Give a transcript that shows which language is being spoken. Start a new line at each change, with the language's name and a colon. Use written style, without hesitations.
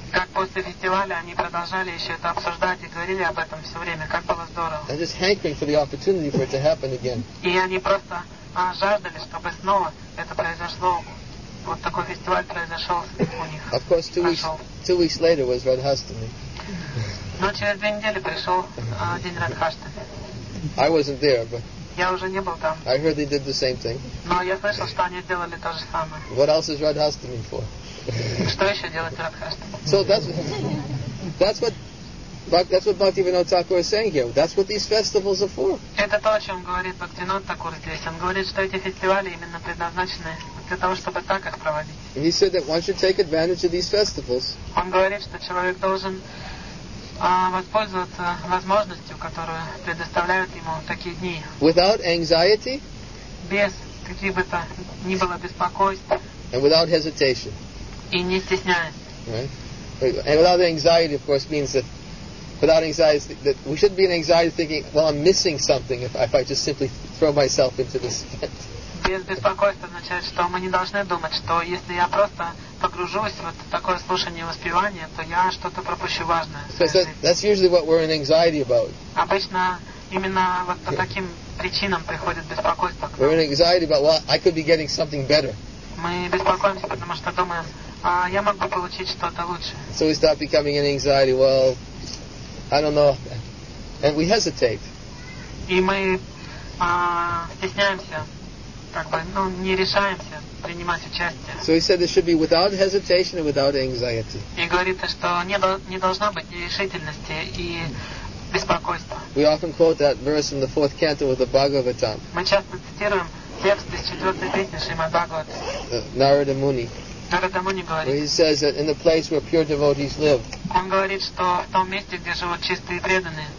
Russian: Как после фестиваля они продолжали еще это обсуждать и говорили об этом все время. Как было здорово.
English: And just hankering for the opportunity for it to happen again.
Russian: И они просто жаждали, чтобы снова это произошло. Вот такой фестиваль произошел у них.
English: Of course, two weeks later was Radhashtami.
Russian: Но через две недели пришел день Радхаштами.
English: I wasn't there, but
Russian: я уже не был там.
English: I heard they did the same thing.
Russian: Но я слышал, что они делали то же самое.
English: What else is Radhashtami for?
Russian: Что еще делать Радхаштами?
English: So that's what Bhaktivinoda Thakur is saying here. That's what these festivals are for.
Russian: Это то, о чем говорит Бхактивинода Такур здесь. Он говорит, что эти фестивали именно предназначены для того, чтобы так их проводить.
English: And he said that one should take advantage of these festivals.
Russian: Он говорит, что человек должен воспользоваться возможностью, которую предоставляют ему такие дни.
English: Without anxiety.
Russian: Без каких бы то ни было беспокойств.
English: And without hesitation.
Russian: И не стесняясь.
English: Right. And without anxiety, of course, means that without anxiety, that we shouldn't be in anxiety thinking, well, I'm missing something if I just simply throw myself into this event.
Russian: Без беспокойства означает, что мы не должны думать, что если я просто погружусь в вот такое слушание и воспевание, то я что-то пропущу важное.
English: That's usually what we're in anxiety about.
Russian: Обычно именно вот по таким причинам приходит беспокойство.
English: We're in anxiety about, well, I could be getting something better.
Russian: Мы беспокоимся, потому что думаем, а я могу получить что-то лучше.
English: So we start becoming in anxiety, well, I don't know. And we hesitate.
Russian: И мы стесняемся. Как бы, ну, не решаемся принимать участие.
English: So he said it should be without hesitation and without anxiety.
Russian: И говорит, что не должно быть нерешительности и беспокойства.
English: We often quote that verse from the fourth canto of the Bhagavatam.
Russian: Мы часто цитируем текст из четвертой песни Шримад Бхагаватам.
English: Narada Muni.
Russian: Narada Muni говорит.
English: He says that in the place where pure devotees live.
Russian: Он говорит, что в том месте, где живут чистые преданные.